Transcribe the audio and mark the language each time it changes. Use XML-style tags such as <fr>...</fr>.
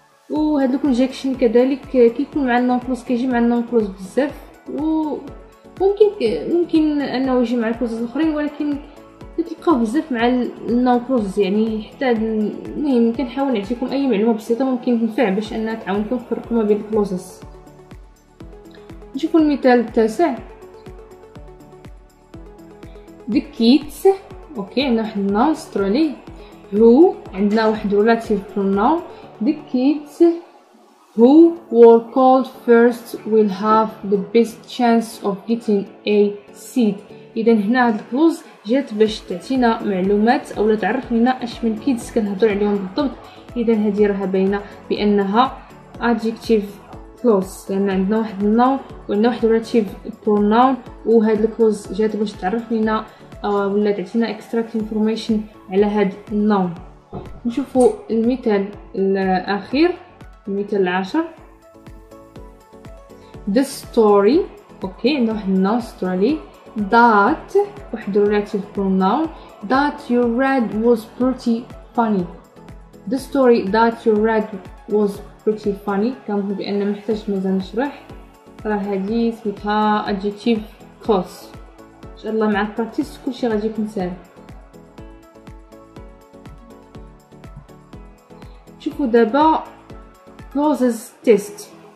<ar>وهاد الكونجكشن كذلك كيكون مع النون كلوز كيجي مع النون كلوز بزاف وممكن انه يجي مع الكلوز الاخرين ولكن كتلقاو بزاف مع النون كلوز يعني حتى المهم كنحاول نعطيكم اي معلومه بسيطه ممكن تنفع باش انها تعاونكم في الفرق ما بين الكلوزز. نشوفوا المثال التاسع.</ar> <en>The kids</en> <ar>اوكي عندنا واحد النون سترو عليه هو عندنا واحد ريلاتيف برونون.</ar> <en>The kids who were called first will have the best chance of getting a seat.</en> <ar>اذا هنا هاد الكلوز جات باش تعطينا معلومات اولا تعرف لنا اش من كيدز كنهضروا عليهم بالضبط. اذا هذه راه باينه بانها adjective كلوز لان عندنا واحد النون وعندنا واحد ريلاتيف برونون وهاد الكلوز جات باش تعرف لنا ولا تعطينا</ar> <en>extract information</en> <ar>على هاد النوم. نشوفوا المثال الأخير، المثال العاشر.</ar> <en>The story okay no no story that</en> <ar>واحد</ar> <en>relative pronoun that you read was pretty funny. The story that you read was pretty funny.</en> <ar>كان هو بأن محتاج مازال نشرح راه هادي سميتها adjective clause. ان شاء الله مع البراكتيس كل شيء غادي يكون سهل. شوفوا دابا</ar> <en>clauses test.</en>